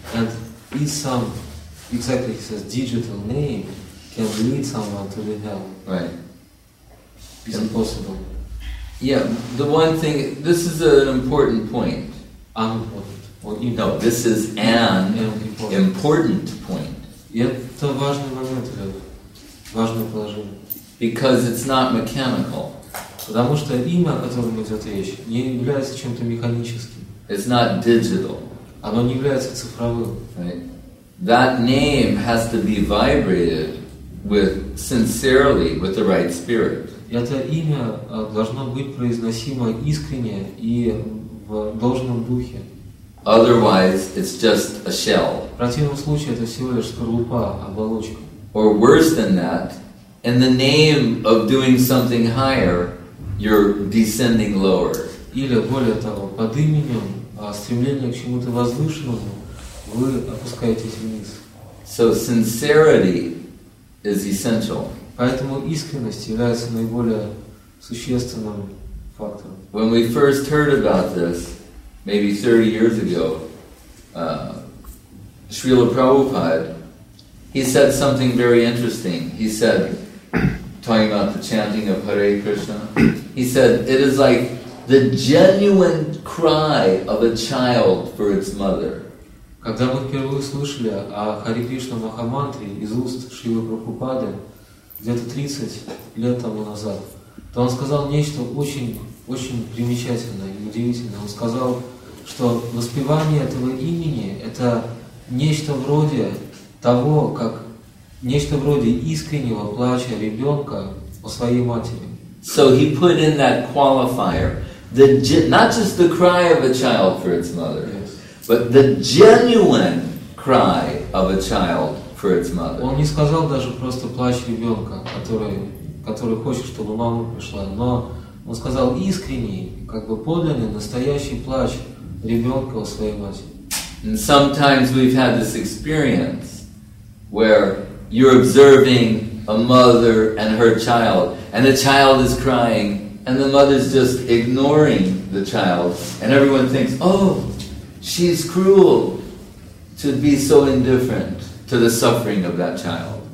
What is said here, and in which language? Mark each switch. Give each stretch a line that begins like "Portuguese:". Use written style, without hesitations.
English: And is some, exactly he says, digital name can lead someone to the hell. Right. Is it possible? Yeah, the one thing, this is an important point. Unimportant. Well, you know, this is an important point.
Russian: Это важный момент, важное положение.
English: Because it's not mechanical.
Russian: Потому что имя, о котором идет речь, не является чем-то механическим.
English: It's not digital.
Russian: Оно не является цифровым.
English: Right. That name has to be vibrated with sincerely with the right spirit.
Russian: Это имя должно быть произносимо искренне и в должном духе.
English: Otherwise, it's just a shell.
Russian: В противном случае это всего лишь скорлупа, оболочка.
English: Or worse than that. In the name of doing something higher, you're descending lower.
Russian: Или более того, под именем стремления к чему-то возвышенному, вы опускаетесь вниз.
English: So sincerity is essential.
Russian: Поэтому искренность является наиболее существенным фактором.
English: When we first heard about this, maybe 30 years ago, Srila Prabhupada, he said something very interesting. He said, talking about the chanting of Hare Krishna, he said, it is like the genuine cry of a child for its mother.
Russian: Когда мы впервые слышали о Харе Кришна Махамантре из уст Шрилы Прабхупады где-то 30 лет тому назад, то он сказал нечто очень, очень примечательное и удивительное. Он сказал, что воспевание этого имени — это нечто вроде того, как нечто вроде искреннего плача ребенка о своей матери.
English: So he put in that qualifier, the not just the cry of a child for its mother, yes. But the genuine cry of a child for its mother.
Russian: Он не сказал даже просто плач ребенка, который хочет, чтобы мама пришла, но он сказал искренний, как бы подлинный, настоящий плач ребенка о своей матери.
English: And sometimes we've had this experience where you're observing a mother and her child, and the child is crying, and the mother's just ignoring the child, and everyone thinks, oh, she's cruel to be so indifferent to the suffering of that child.